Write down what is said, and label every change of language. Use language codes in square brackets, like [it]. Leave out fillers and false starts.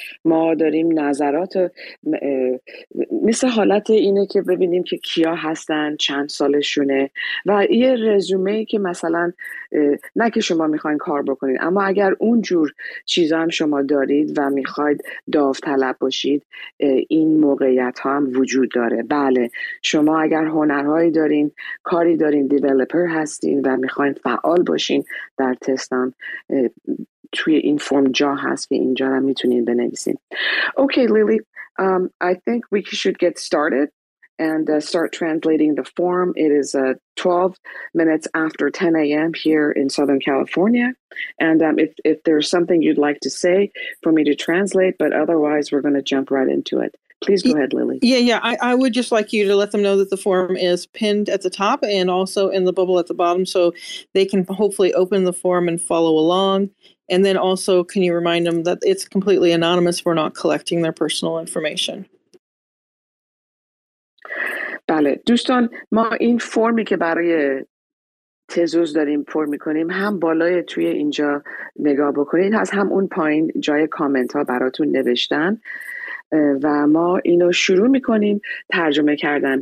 [fa] ما داریم نظرات مثل حالت اینه که ببینیم که کیا هستن، چند سالشونه و یه رزومه که مثلا نه که شما میخواین کار بکنین، اما اگر اونجور چیزا هم شما دارید و میخواید داوطلب باشید این موقعیت ها هم وجود داره. بله، شما اگر هنرهایی دارین، کاری دارین، دیولپر هستین و میخواین فعال باشین در تستم توی این فرم جا هست که اینجا هم میتونین بنویسین. [en] Okay, Lily, I think we should get started and start translating the form. It is 12 minutes after 10 a.m. here in Southern California. And if there's something you'd like to say for me to translate, but otherwise we're going to jump right into it. Please go ahead, Lily. Yeah. I would just like you to let them know that the form is pinned at the top and also in the bubble at the bottom, so they can hopefully open the form and follow along. And then also, can you remind them that it's completely anonymous? We're not collecting their personal information. [fa] بله دوستان، ما این فرمی که برای تزوز داریم پر میکنیم هم بالای توی اینجا نگاه بکنید از هم اون پایین جای کامنت ها براتون نوشتن و ما اینو شروع میکنیم ترجمه کردن.